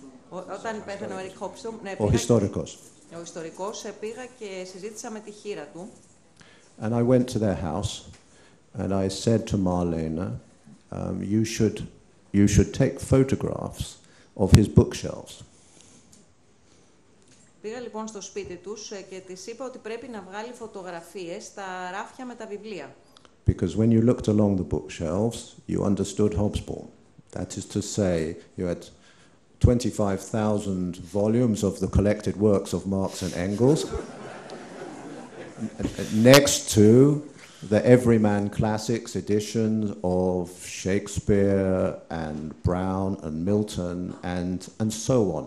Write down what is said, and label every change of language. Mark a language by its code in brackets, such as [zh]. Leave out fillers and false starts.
[el] Όταν πέθανε ο Eric Hobsbawm, ο ιστορικός. Ο ιστορικός, πήγα και συζήτησα με τη χείρα του. [en] And I went to their house and I said to Marlena, you should take photographs of his bookshelves. [el] Πήγα λοιπόν στο σπίτι τους και της είπα ότι πρέπει να βγάλει φωτογραφίες στα ράφια με τα βιβλία. [en] Because when you looked along the bookshelves, you understood Hobsbawm. That is to say, you had 25,000 volumes of the collected works of Marx and Engels next to the Everyman Classics editions of Shakespeare and Brown and Milton and so on.